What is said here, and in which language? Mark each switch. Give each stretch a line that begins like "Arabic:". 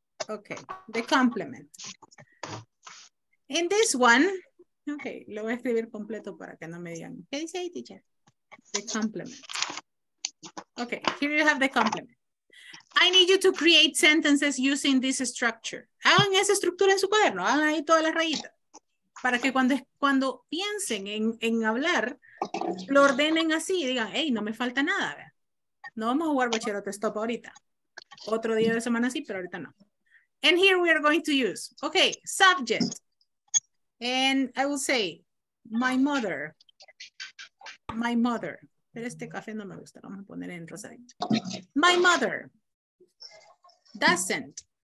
English: Okay, the complement. In this one, okay,
Spanish: lo voy a escribir completo para que no me digan. ¿Qué dice ahí, teacher?
English: The complement. Okay, here you have the complement. I need you to create sentences using this structure.
Spanish: Hagan esa estructura en su cuaderno, hagan ahí todas las rayitas. Para que cuando piensen en hablar, lo ordenen así y digan, hey, no me falta nada. ¿Ve? No vamos a jugar bachillerato stop ahorita. Otro día de semana sí, pero ahorita no.
English: And here we are going to use, okay, subject. And I will say, my mother.
Spanish: Pero este café no me gusta, vamos a poner en rosadito.
English: My mother doesn't.